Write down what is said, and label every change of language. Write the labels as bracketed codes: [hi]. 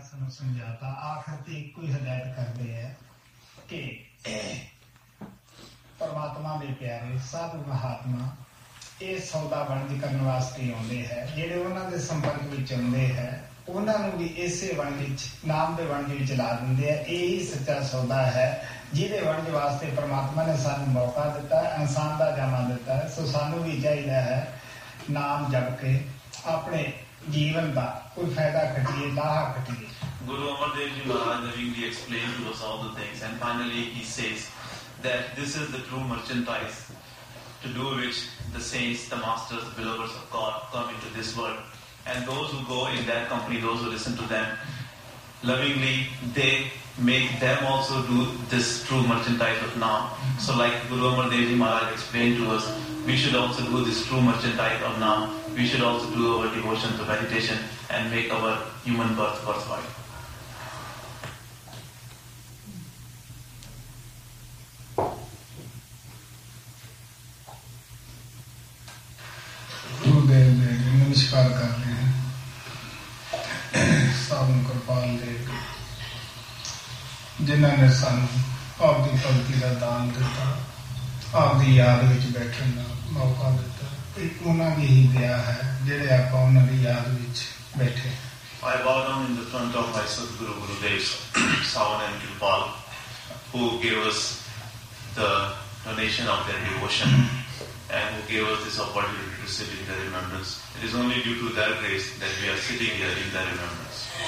[pa] ਸਮਝਾਤਾ ਆਖਰ ਤੇ ਕੋਈ ਹਦਾਇਤ ਕਰਦੇ ਹੈ ਕਿ ਪਰਮਾਤਮਾ ਦੇ ਪਿਆਰੇ ਸਾਧੂ ਮਹਾਤਮਾ ਇਹ ਸੌਦਾ ਵਣਜ ਕਰਨ ਵਾਸਤੇ ਆਉਂਦੇ ਹੈ ਜਿਹੜੇ ਉਹਨਾਂ ਦੇ ਸੰਪਰਕ ਵਿੱਚ ਆਉਂਦੇ ਹੈ ਉਹਨਾਂ ਨੂੰ ਵੀ ਇਸੇ ਵਣਜ ਵਿੱਚ ਨਾਮ ਦੇ ਵਣਜ ਵਿੱਚ ਲਾ ਦਿੰਦੇ ਆ ਇਹੀ ਸੱਚਾ ਸੌਦਾ ਹੈ ਜਿਹਦੇ ਵਣਜ ਵਾਸਤੇ ਪਰਮਾਤਮਾ ਨੇ ਸਾਨੂੰ ਮੌਕਾ ਦਿੱਤਾ ਇਨਸਾਨ ਦਾ ਜਾਮਾ ਦਿੱਤਾ ਹੈ ਸੋ ਸਾਨੂੰ ਵੀ ਚਾਹੀਦਾ ਹੈ ਨਾਮ ਜਪ ਕੇ ਆਪਣੇ ਜੀਵਨ ਦਾ ਕੋਈ ਫਾਇਦਾ ਕੱਢੀਏ ਲਾਹਾ ਕੱਢੀਏ [en] Guru Amar Dev Ji Maharaj really explained to us all the things, and finally he says that this is the true merchandise to do which the saints, the masters, the believers of God come into this world. And those who go in their company, those who listen to them lovingly, they make them also do this true merchandise of Naam. So like Guru Amar Dev Ji Maharaj explained to us, we should also do this true merchandise of Naam. We should also do our devotion to meditation and make our human birth worthwhile. [pa] Gurdev ਦੇ ਨਮਸਕਾਰ ਕਰਦੇ ਹਾਂ ਸਾਧੂ ਕਿਰਪਾਲ ਦੇ ਜਿਨ੍ਹਾਂ ਨੇ ਸਾਨੂੰ ਆਪਦੀ ਭਗਤੀ ਦਾ ਦਾਨ ਦਿੱਤਾ, ਆਪਦੀ ਯਾਦ ਵਿੱਚ ਬੈਠਣ ਦਾ ਮੌਕਾ ਦਿੱਤਾ, ਤੇ ਉਹਨਾਂ ਦੀ ਹੀ ਦਇਆ ਹੈ ਜਿਹੜੇ ਆਪਾਂ ਉਹਨਾਂ ਦੀ ਯਾਦ ਵਿੱਚ ਬੈਠੇ ਹਾਂ. [en] I bow down in the front of my Sadhguru Gurudev, Savan and Kripal, who gave us the donation of their devotion and who gave us this opportunity to sit in their remembrance. It is only due to their grace that we are sitting here in their remembrance.